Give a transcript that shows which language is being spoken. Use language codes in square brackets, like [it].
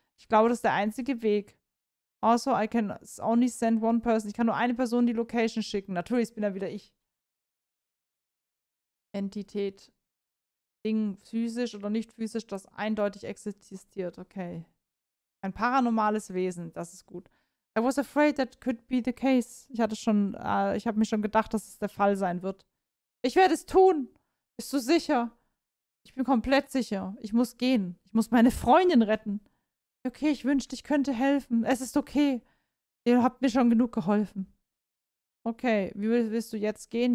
[de] Ich glaube, das ist der einzige Weg. Also, [en] I can only send one person. [de] Ich kann nur eine Person die Location schicken. Natürlich bin er wieder ich. Entität. Ding, physisch oder nicht physisch, das eindeutig existiert. Okay. Ein paranormales Wesen, das ist gut. [en] I was afraid that could be the case. [de] Ich hatte schon, ich habe mir schon gedacht, dass es der Fall sein wird. Ich werde es tun. Bist du sicher? Ich bin komplett sicher. Ich muss gehen. Ich muss meine Freundin retten. Okay, ich wünschte, ich könnte helfen. Es ist okay. Ihr habt mir schon genug geholfen. Okay, wie willst du jetzt gehen?